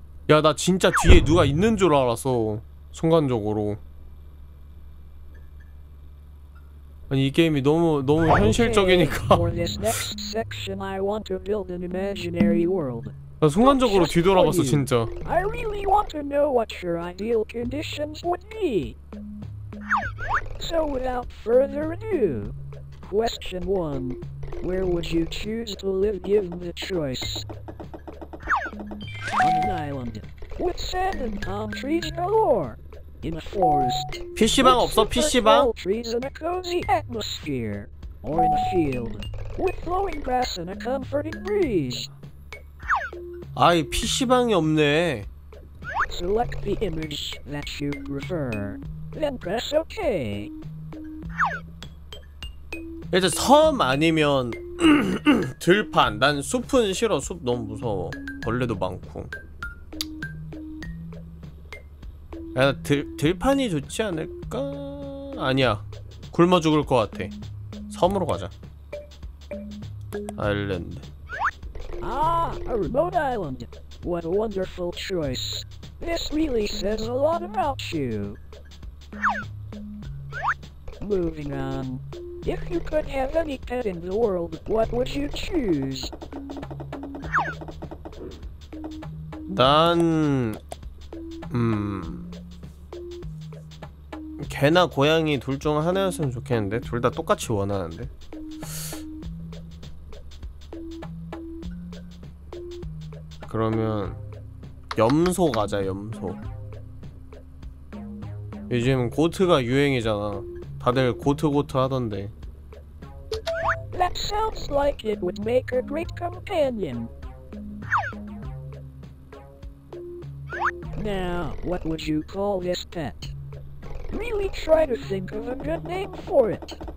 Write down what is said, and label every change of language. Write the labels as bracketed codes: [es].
[ko] 야, 나 진짜 뒤에 누가 있는 줄 알았어. 순간적으로. 아니, 이 게임이 너무 현실적이니까. [en] For this next section, I want to build an imaginary world. [ko] 나 순간적으로 뒤돌아봤어, 진짜. [en] I really want to know what your ideal conditions would be. So without further ado, question 1. Where would you choose to live given the choice? On an island with sand and palm trees galore. In a forest. [ko] PC방 없어, PC방? [en] Trees and a cozy atmosphere. Or in a field with flowing grass and a comforting breeze. [ko] 아이, PC방이 없네. [en] Select the image that you prefer. Then press OK. [ko] 일단 섬 아니면 들판. 난 숲은 싫어. 숲 너무 무서워. 벌레도 많고. 야, 들판이 좋지 않을까? 아니야, 굶어 죽을 것 같아. 섬으로 가자. 아일랜드. [en] 아, a remote island. What a wonderful choice. This really says a lot about you. Moving on. If you could have any pet in the world, what would you choose? [ko] 난 개나 고양이 둘 중 하나였으면 좋겠는데, 둘 다 똑같이 원하는데. 그러면 염소 가자. 염소. 요즘 고트가 유행이잖아. 다들 고트 하던데. [en] That sounds like it would make a great companion. Now, what would you call this pet? Really try to think of a good name for it.